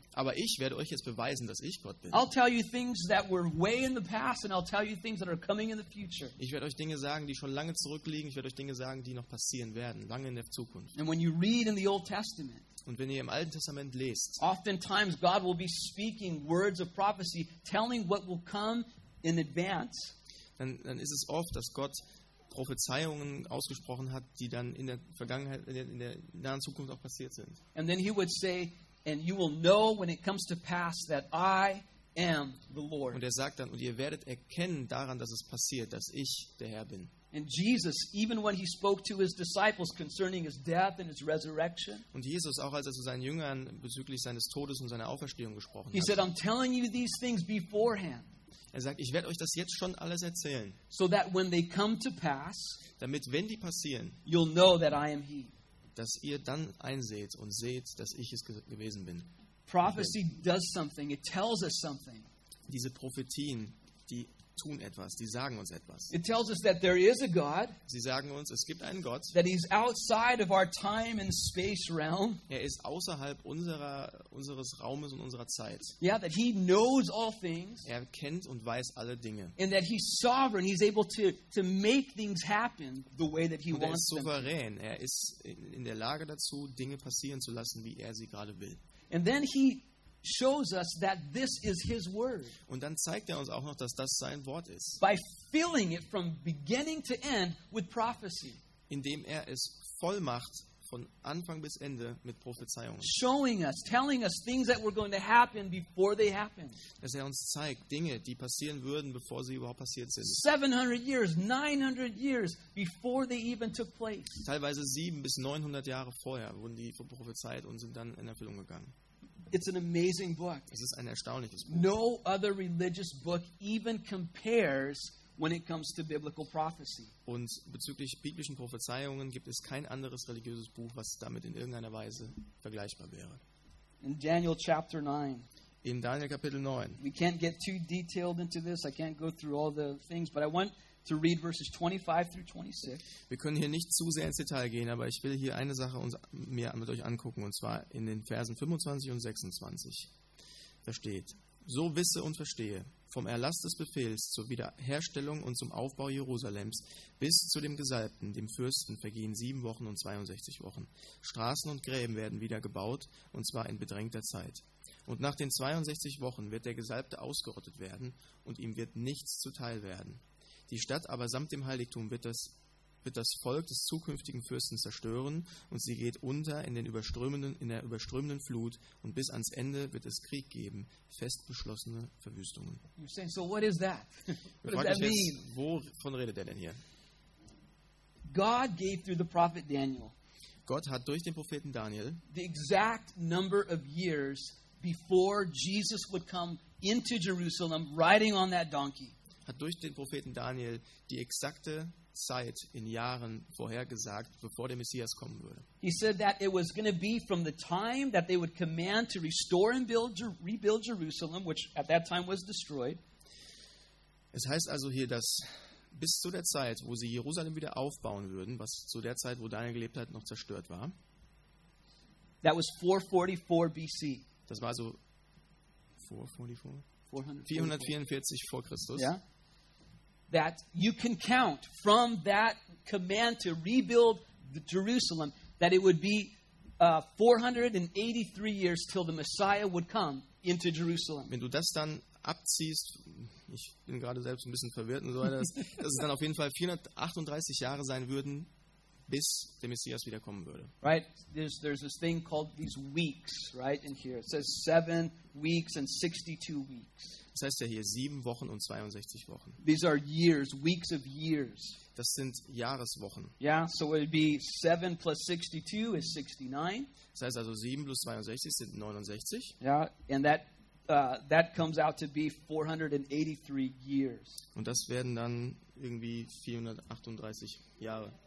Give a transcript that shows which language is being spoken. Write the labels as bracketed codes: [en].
[de] Aber ich werde euch jetzt beweisen, dass ich Gott bin. [en] I'll tell you things that were way in the past, and I'll tell you things that are coming in the future. [de] Ich werde euch Dinge sagen, die schon lange zurückliegen. Ich werde euch Dinge sagen, die noch passieren werden, lange in der Zukunft. [en] And when you read in the Old Testament. [de] Und wenn ihr im Alten Testament lest. [en] Oftentimes God will be speaking words of prophecy, telling what will come in advance. [de] Dann ist es oft, dass Gott Prophezeiungen ausgesprochen hat, die dann in der Vergangenheit, in der nahen Zukunft auch passiert sind. [en] And then he would say, and you will know when it comes to pass that I am the Lord. [de] Und er sagt dann, und ihr werdet erkennen daran, dass es passiert, dass ich der Herr bin. [en] And Jesus, even when he spoke to his disciples concerning his death and his resurrection. [de] Und Jesus auch, als er zu seinen Jüngern bezüglich seines Todes und seiner Auferstehung gesprochen hat. [en] He said, I'm telling you these things beforehand. [de] Er sagt, ich werde euch das jetzt schon alles erzählen. [en] So that when they come to pass, [de] damit wenn die passieren, [en] you'll know that I am he. [de] Dass ihr dann einseht und seht, dass ich es gewesen bin. [en] Prophecy does something. It tells us something. [de] Diese Prophetien, die tun etwas, die sagen uns etwas. [en] It tells us that there is a God. [de] Sie sagen uns, es gibt einen Gott. [en] That he's outside of our time and space realm. [de] Er ist außerhalb unseres Raumes und unserer Zeit. [en] Yeah, that he knows all things. [de] Er kennt und weiß alle Dinge. [en] And that he's sovereign. He's able to make things happen the way that he wants. [de] Er ist souverän. Er ist in der Lage dazu, Dinge passieren zu lassen, wie er sie gerade will. [en] And then he shows us that this is his word. [de] Und dann zeigt er uns auch noch, dass das sein Wort ist. [en] By filling it from beginning to end with prophecy. [de] Indem er es voll macht von Anfang bis Ende mit Prophezeiungen. [en] Showing us, telling us things that were going to happen before they happened. [de] Dass er uns zeigt Dinge, die passieren würden, bevor sie überhaupt passiert sind. [en] 700 years, 900 years before they even took place. [de] Teilweise 7 bis 900 Jahre vorher wurden die prophezeit und sind dann in Erfüllung gegangen. [en] It's an amazing book. [de] Es ist ein erstaunliches Buch. [en] No other religious book even compares when it comes to biblical prophecy. [de] Und bezüglich biblischen Prophezeiungen gibt es kein anderes religiöses Buch, was damit in irgendeiner Weise vergleichbar wäre. [en] In Daniel chapter 9. [de] In Daniel Kapitel 9. [en] We can't get too detailed into this. I can't go through all the things, but I want to read verses 25 through 26. [de] Wir können hier nicht zu sehr ins Detail gehen, aber ich will hier eine Sache mir mit euch angucken, und zwar in den Versen 25 und 26. Da steht: So wisse und verstehe, vom Erlass des Befehls zur Wiederherstellung und zum Aufbau Jerusalems bis zu dem Gesalbten, dem Fürsten, vergehen 7 Wochen und 62 Wochen. Straßen und Gräben werden wieder gebaut, und zwar in bedrängter Zeit. Und nach den 62 Wochen wird der Gesalbte ausgerottet werden, und ihm wird nichts zuteil werden. Die Stadt aber samt dem Heiligtum wird das Volk des zukünftigen Fürsten zerstören, und sie geht unter in der überströmenden Flut, und bis ans Ende wird es Krieg geben, fest beschlossene Verwüstungen. [en] You're saying, so what is that? What does that mean? [de] Jetzt, wovon redet er denn hier? [en] God gave through the prophet Daniel. [de] Gott hat durch den Propheten Daniel [en] the exact number of years before Jesus would come into Jerusalem riding on that donkey. [de] Hat durch den Propheten Daniel die exakte Zeit in Jahren vorhergesagt, bevor der Messias kommen würde. [en] He said that it was going to be from the time that they would command to restore and build, rebuild Jerusalem, which at that time was destroyed. [de] Es heißt also hier, dass bis zu der Zeit, wo sie Jerusalem wieder aufbauen würden, was zu der Zeit, wo Daniel gelebt hat, noch zerstört war. [en] That was 444 BC. [de] Das war also 444 vor Christus. [en] Yeah. That you can count from that command to rebuild the Jerusalem that it would be 483 years till the Messiah would come into Jerusalem. [de] Wenn du das dann abziehst, ich bin gerade selbst ein bisschen verwirrt und so weiter, dass es dann auf jeden Fall 438 Jahre sein würden, bis der Messias wiederkommen würde. [en] Right, there's this thing called these weeks, right, in here. It says 7 weeks and 62 weeks. [de] Das heißt ja hier 7 Wochen und 62 Wochen. [en] These are years, weeks of years. [de] Das sind Jahreswochen. [en] Yeah, so it would be 7 plus 62 is 69. [de] Das heißt also 7 plus 62 sind 69. [en] Yeah, and that that comes out to be 483 years. [de] Und das werden dann irgendwie 438 Jahre.